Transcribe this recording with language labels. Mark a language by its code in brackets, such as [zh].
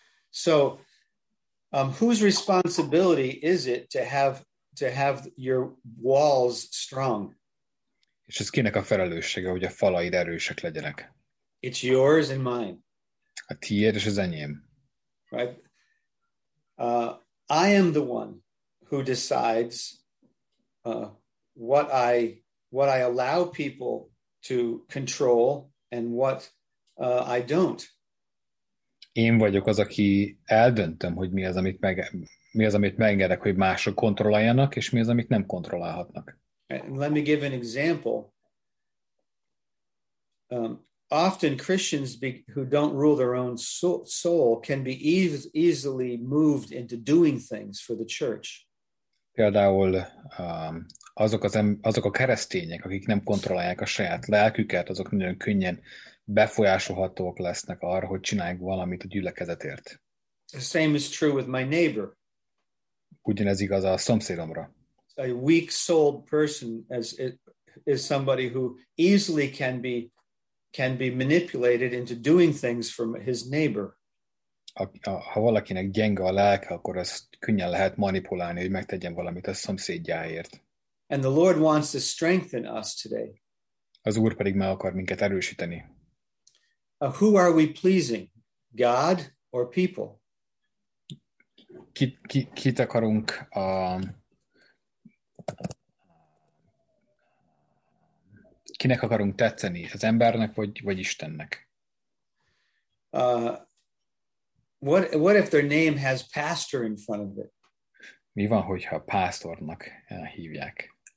[en] So, whose responsibility is it to have your walls strong? [hu] És ez kinek a felelőssége, hogy a falaid erősek legyenek? [en] It's yours and mine. [hu] A tiéd és az enyém. [en] Right? I am the one who decides what I allow people to control and what I don't. [hu] Én vagyok az, aki eldöntöm, hogy mi az, amit megengedek, hogy mások kontrolláljanak, és mi az, amit nem kontrollálhatnak. [en] And let me give an example. Often Christians who don't rule their own soul can be easily moved into doing things for the church. [hu] Például azok a keresztények, akik nem kontrollálják a saját lelküket, azok nagyon könnyen befolyásolhatók lesznek arra, hogy csinálják valamit a gyülekezetért. [en] The same is true with my neighbor. [hu] Ugyanez igaz a szomszédomra. [en] A weak-souled person is somebody who easily can be manipulated into doing things from his neighbor. [hu] Ha valakinek gyenge a lelke, akkor ezt könnyen lehet manipulálni, hogy megtegyen valamit a szomszédjáért. [en] And the Lord wants to strengthen us today. [hu] Az Úr pedig meg akar minket erősíteni. [en] Who are we pleasing, God or people? [hu] Kit akarunk kinek akarunk tetszeni, az embernek vagy Istennek? [en] What if their name has pastor in front of it? [hu] Mi van, hogyha pásztornak hívják?